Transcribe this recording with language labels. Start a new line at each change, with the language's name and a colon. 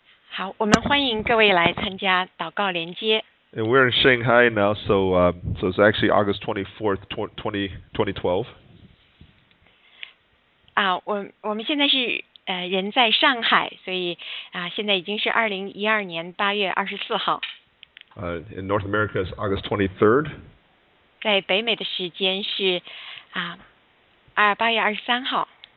Chinese: 好，我们欢迎各位来参加祷告连接。
English: And we're in Shanghai now, so it's actually August 24th, 2012.
Chinese: 我们现在是人在上海，所以现在已经是2012年8月24号。
English: In North America, it's August 23rd.
Chinese: 在北美的时间是8月23号。